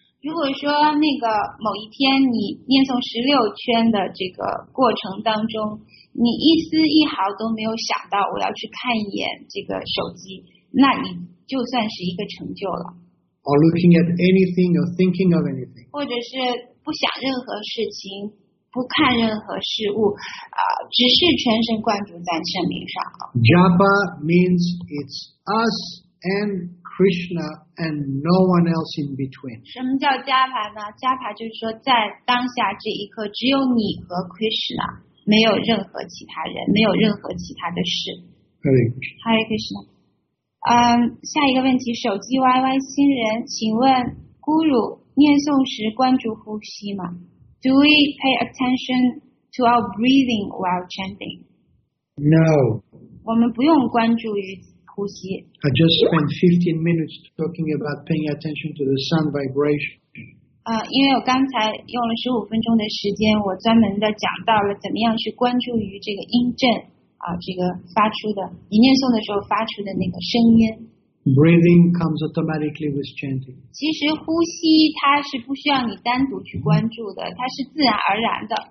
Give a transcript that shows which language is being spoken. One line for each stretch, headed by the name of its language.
Chinese: 如果说那个某一天你念诵16圈的这个过程当中，你一丝一毫都没有想到我要去看一眼这个手机，那你就算是一个成就了。
English: Or looking at anything or thinking of anything.
Chinese: 或者是不想任何事情，不看任何事物，只是全神贯注在圣名上。
English: Japa means it's us and Krishna and no one else in between.
Chinese: 什么叫Japa呢？Japa就是说在当下这一刻，只有你和 Krishna， 没有任何其他人，没有任何其他的事。
Sanskrit: Hare
Chinese: Krishna。 下一个问题，手机 YY 新人，请问 Guru。念诵时关注呼吸吗？
English: Do we pay attention to our breathing while chanting? No.
Chinese: 我们不用关注于呼吸。
English: I just spent 15 minutes talking about paying attention to the sun vibration.
Chinese: 因为我刚才用了15分钟的时间，我专门的讲到了怎么样去关注于这个音振，这个发出的，你念诵的时候发出的那个声音。
English: Breathing comes automatically with chanting.
Chinese: 其实呼吸它是不需要你单独去关注的，它是自然而然的。